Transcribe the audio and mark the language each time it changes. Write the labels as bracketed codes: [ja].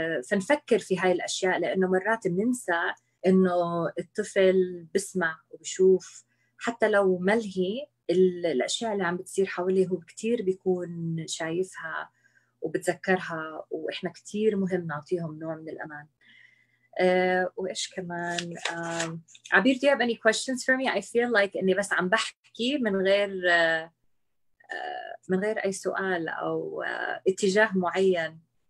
[ar] فنفكر في هاي الأشياء، لأنه مرات بننسى إنه الطفل بسمع وبشوف، حتى لو ملهي الأشياء اللي عم بتصير حوله هو كتير بيكون شايفها وبتذكرها، وإحنا كتير مهم نعطيهم نوع من الأمان. وإيش كمان؟ [en] عبير، do you have any questions for me? I feel like [ar] إني بس عم بحكي من غير أي سؤال أو اتجاه معين.